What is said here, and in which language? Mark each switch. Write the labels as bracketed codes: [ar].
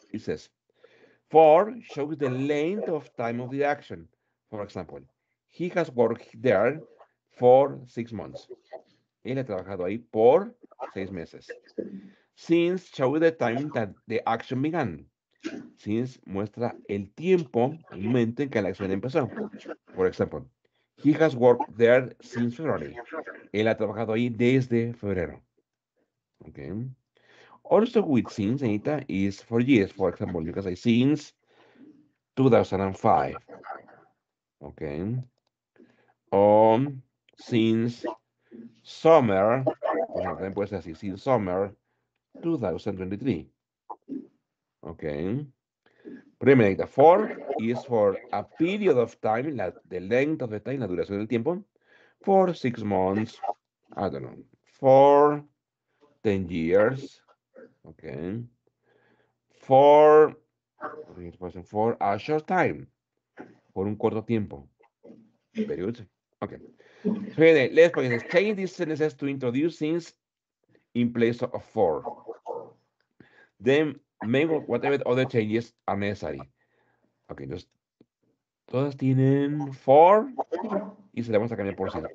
[en] It says, for shows the length of time of the action. For example, he has worked there for 6 months. [es] Él ha trabajado ahí por 6 meses. [en] Since shows the time that the action began. [es] Since muestra el tiempo, el momento en que la acción empezó. [en] For example, he has worked there since February. [es] Él ha trabajado ahí desde febrero. Okay. [en] Also with since, Anita, is for years. For example, you can say since 2005. Okay. Since summer, [es] por ejemplo, también puede ser así, [en] since summer 2023. Okay. [es] Primero, [en] Anita, for is for a period of time, the length of the time, [es] la duración del tiempo, [en] for 6 months, I don't know, for 10 years, okay, for a short time, [es] por un corto tiempo, [en] period, okay. So, anyway, let's begin. Change these sentences to introduce since in place of for. Then, make whatever other changes are necessary. [es] Okay, entonces, todas tienen for, y se le vamos a cambiar por cien.